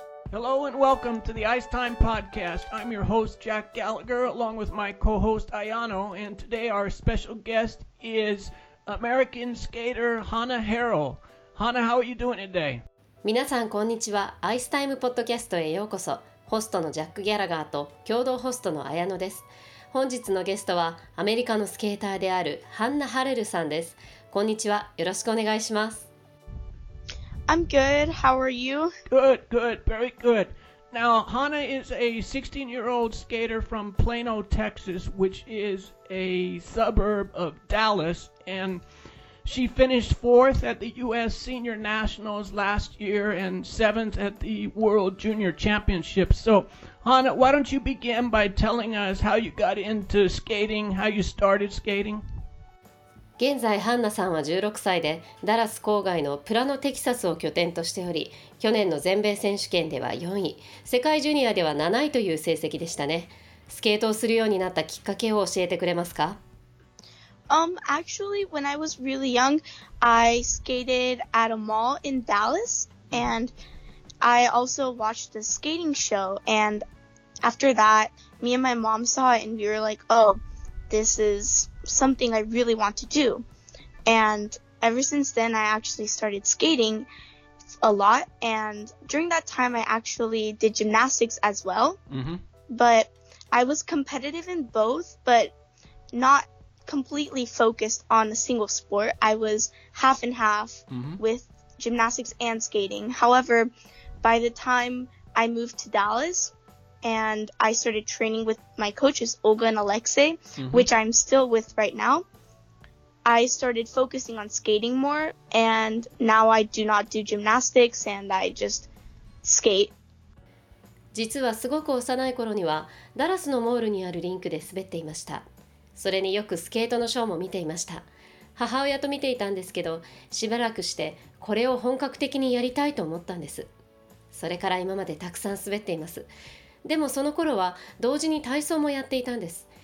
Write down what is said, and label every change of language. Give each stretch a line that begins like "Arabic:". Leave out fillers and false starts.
English: Hello and welcome to the Ice Time podcast. I'm your host, Jack Gallagher, along with my co-host, Ayano. And today our special guest is American skater Hannah Harrell. Hannah, how are you doing today?
Japanese: 皆さん、こんにちは。アイスタイムポッドキャストへようこそ。ホストのジャック・ギャラガーと共同ホストの綾乃です。本日のゲストはアメリカのスケーターであるハンナ・ハレルさんです。こんにちは。よろしくお願いします。
English: I'm good. How are you? Good, good. Very good. Now, Hannah is a 16-year-old skater from Plano, Texas, which is a suburb of Dallas, and she finished fourth at the U.S. Senior Nationals last year and seventh at the World Junior Championships. So, Hannah, why don't you begin by telling us how you got into skating, how you started skating?
Japanese: 現在、ハンナさんは16歳で、ダラス郊外のプラノ・テキサスを拠点としており、去年の全米選手権では4位、世界ジュニアでは7位という成績でしたね。スケートをするようになったきっかけを教えてくれますか？ Actually, when I was really young, I skated at a mall in Dallas, and I also watched a skating show, and after that, me and my mom saw it, and we were like, oh, this is something I really want to do, and ever since then, I actually started skating a lot, and during that time, I actually did gymnastics as well, but I was competitive in both, but not completely focused on a single sport. I was half and half with gymnastics and skating. However, by the time I moved to Dallas and I started training with my coaches, Olga and Alexei, which I'm still with right now, I started focusing on skating more, and now I do not do gymnastics and I just skate. 実はすごく幼い頃にはダラスのモールにあるリンクで滑っていました。それによくスケートのショーも見ていました。母親と見ていたんですけど、しばらくしてこれを本格的にやりたいと思ったんです。それから今までたくさん滑っています。でもその頃は同時に体操もやっていたんです。